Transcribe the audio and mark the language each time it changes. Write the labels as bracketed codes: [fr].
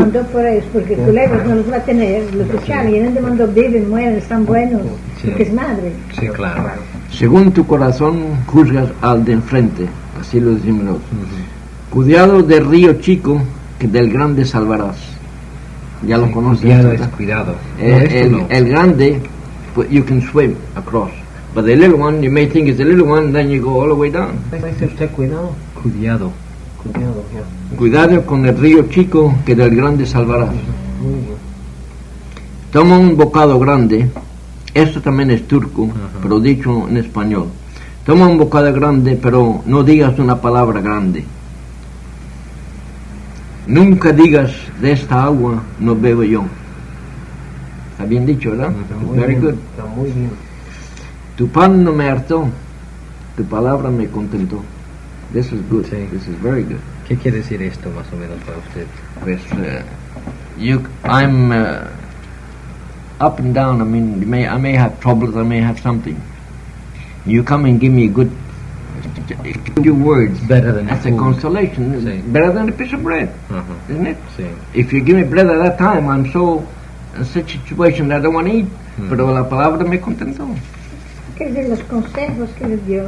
[es] mandó por ellos, porque culebras no los va a tener, los echaron, y en el demando viven, mueren, están buenos, sí, porque es madre. Sí, claro. Según tu corazón, juzgas al de enfrente, así lo decimos nosotros. Uh-huh. Cuidado del río chico, que del grande salvarás. Ya lo conoces. Cuidado, ¿verdad? Es cuidado. El grande, [en] you can swim across, but the little one, you may think it's the little one, then you go all the way down. [es] ¿Qué dice usted, cuidado? Cuidado. Cuidado con el río chico que del grande salvarás. Toma un bocado grande, esto también es turco, ajá, pero dicho en español. Toma un bocado grande, pero no digas una palabra grande. Nunca digas, de esta agua no bebo yo. Está bien dicho, ¿verdad? Está muy bien. Tu pan no me hartó, tu palabra me contentó. [en] This is good. [es] Sí. [en] This is very good. [es] ¿Qué quiere decir esto más o menos para usted? [en] Pues, I'm up and down. I mean, I may have troubles. I may have something. You come and give me good, few words. Better than as a consolation. [es] Sí. [en] Better than a piece of bread, uh-huh, isn't it? [es] Sí. [en] If you give me bread at that time, I'm so in such a situation that I don't want to eat. [es] Mm. Pero la palabra me contentó. ¿Qué es de los consejos que le dio?